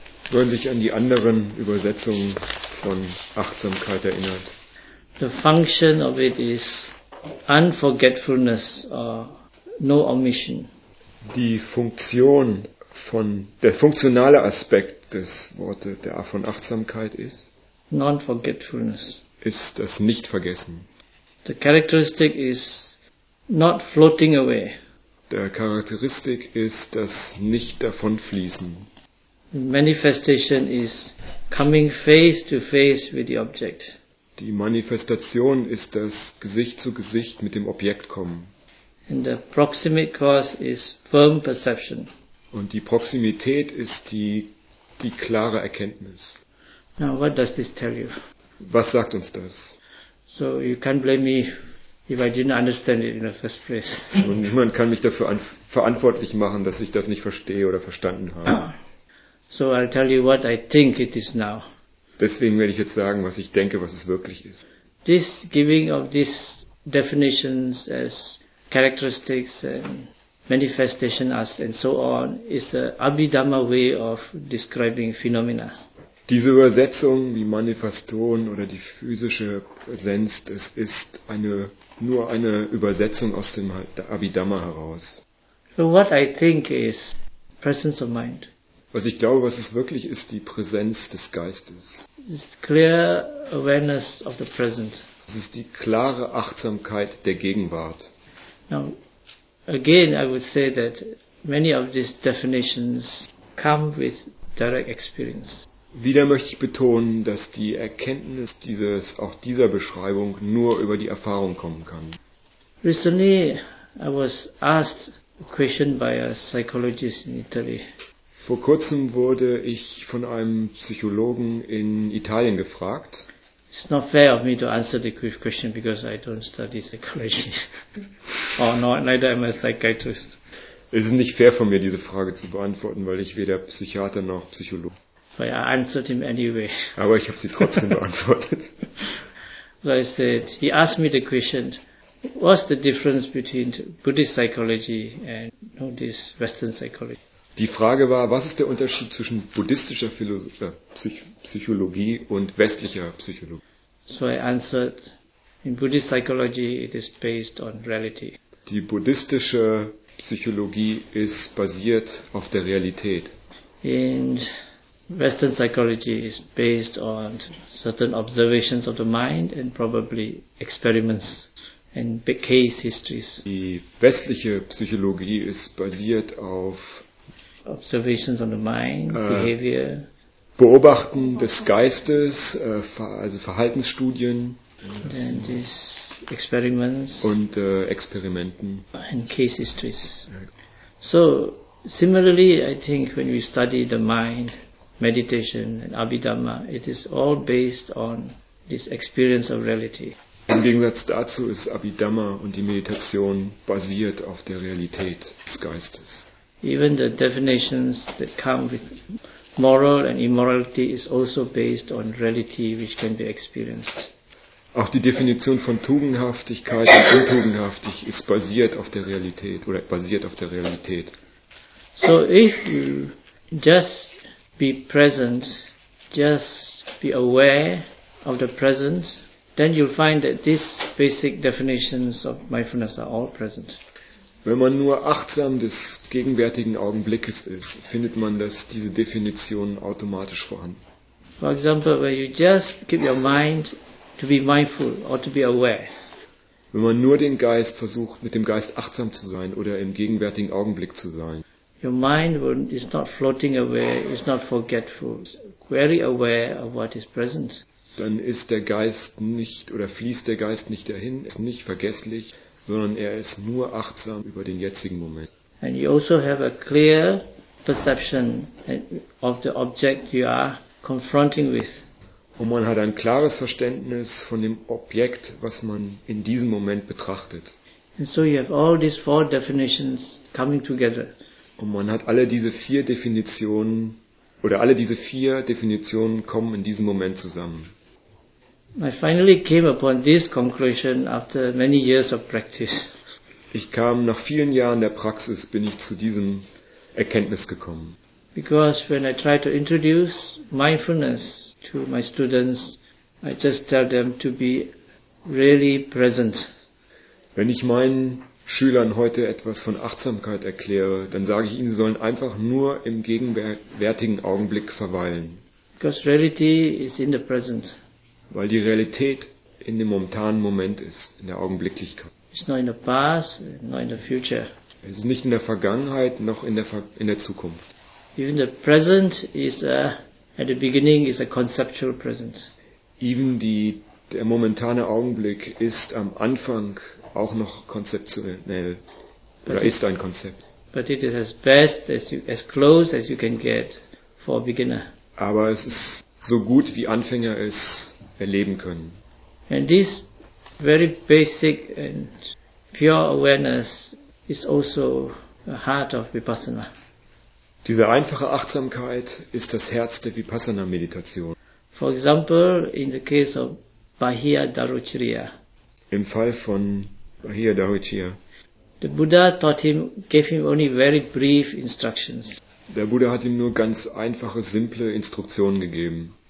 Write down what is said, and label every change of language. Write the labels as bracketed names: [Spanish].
[German] Wenn sich an die anderen Übersetzungen von Achtsamkeit erinnert. [English] The function of it is unforgetfulness or no omission. [German] Die Funktion von der funktionale Aspekt des Wortes der von Achtsamkeit ist [English] non-forgetfulness. [German] Ist das Nichtvergessen. [English] The characteristic is not floating away. [German] Der Charakteristik ist das nicht davonfließen. [English] Manifestation is coming face to face with the object. [German] Die Manifestation ist das Gesicht zu Gesicht mit dem Objekt kommen. [English] And the proximate cause is firm perception. [German] Und die Proximität ist die klare Erkenntnis. [English] Now what does this tell you? [German] Was sagt uns das? [English] So you can't blame me if I didn't understand it in the first place. [German] Und niemand kann mich dafür verantwortlich machen, dass ich das nicht verstehe oder verstanden habe. [English] So I'll tell you what I think it is now. [German] Deswegen werde ich jetzt sagen, was ich denke, was es wirklich ist. [English] This giving of these definitions as characteristics and manifestation as and so on is a Abhidhamma way of describing phenomena. [German] Diese Übersetzung wie Manifestation oder die physische Präsenz, es ist nur eine Übersetzung aus dem Abhidhamma heraus. [English] So what I think is presence of mind. [German] Was ich glaube, was es wirklich ist, die Präsenz des Geistes. [English] It's clear awareness of the present. [German] Es ist die klare Achtsamkeit der Gegenwart. [English] Now, again, I would say that many of these definitions come with direct experience. [German] Wieder möchte ich betonen, dass die Erkenntnis dieser Beschreibung nur über die Erfahrung kommen kann. [English] Recently, I was asked a question by a psychologist in Italy. [German] Vor kurzem wurde ich von einem Psychologen in Italien gefragt. [English] It's not fair of me to answer the question because I don't study psychology. Oh no, neither am I a psychiatrist. [German] Es ist nicht fair von mir, diese Frage zu beantworten, weil ich weder Psychiater noch Psychologe. [English] But I answered him anyway. [German] Aber ich habe sie trotzdem beantwortet. [English] So I said, he asked me the question, what's the difference between Buddhist psychology and this Western psychology? [German] Die Frage war, was ist der Unterschied zwischen buddhistischer Psychologie und westlicher Psychologie? [English] So I answered, in Buddhist psychology it is based on reality. [German] Die buddhistische Psychologie ist basiert auf der Realität. [English] And Western psychology is based on certain observations of the mind and probably experiments and case histories. [German] Die westliche Psychologie ist basiert auf [English] observations on the mind, behavior, [German] Beobachten des Geistes, also Verhaltensstudien, [English] and these experiments [German] und Experimenten [English] and case histories. So Similarly, I think when we study the mind, meditation and Abhidhamma, it is all based on this experience of reality. [German] Im Gegensatz dazu ist Abhidhamma und die Meditation basiert auf der Realität des Geistes. [English] Even the definitions that come with moral and immorality is also based on reality which can be experienced. [German] Auch die Definition von Tugendhaftigkeit und Untugendhaftigkeit ist basiert auf der Realität oder basiert auf der Realität. [English] So if you just be present, just be aware of the present, then you'll find that these basic definitions of mindfulness are all present. [German] Wenn man nur achtsam des gegenwärtigen Augenblickes ist, findet man, dass diese Definitionen automatisch vorhanden. [English] For example, when you just keep your mind to be mindful or to be aware. [German] Wenn man nur den Geist versucht, mit dem Geist achtsam zu sein oder im gegenwärtigen Augenblick zu sein. [English] Your mind is not floating away, is not forgetful, it's very aware of what is present. [German] Dann ist der Geist nicht oder fließt der Geist nicht dahin, ist nicht vergesslich, sondern er ist nur achtsam über den jetzigen Moment. [English] And you also have a clear perception of the object you are confronting with. [German] Und man hat ein klares Verständnis von dem Objekt, was man in diesem Moment betrachtet. [English] And so you have all these four definitions coming together. [German] Und man hat alle diese vier Definitionen oder alle diese vier Definitionen kommen in diesem Moment zusammen. [English] I finally came upon this conclusion after many years of practice. [German] Ich kam nach vielen Jahren der Praxis bin ich zu diesem Erkenntnis gekommen. [English] Because when I try to introduce mindfulness to my students, I just tell them to be really present. [German] Wenn ich meinen Schülern heute etwas von Achtsamkeit erkläre, dann sage ich ihnen, sie sollen einfach nur im gegenwärtigen Augenblick verweilen. [English] Because reality is in the present. [German] Weil die Realität in dem momentanen Moment ist, in der Augenblicklichkeit. [English] It's not in the past, not in the future. [German] Es ist nicht in der Vergangenheit, noch in der Zukunft. [English] Even the present is at the beginning is a conceptual present. Even [German] der momentane Augenblick ist am Anfang auch noch konzeptionell oder ist ein Konzept. [English] But it is as best as close as you can get for a beginner. [German] Aber es ist so gut wie Anfänger es erleben können. [English] And this very basic and pure awareness is also the heart of Vipassana. [German] Diese einfache Achtsamkeit ist das Herz der Vipassana-Meditation. [English] For example, in the case of Bahia Dharuchriya. [German] Im Fall von Bahia Dharuchriya. [English] The Buddha taught him, gave him only very brief instructions. [German] Der Buddha hat ihm nur ganz einfache, simple Instruktionen gegeben.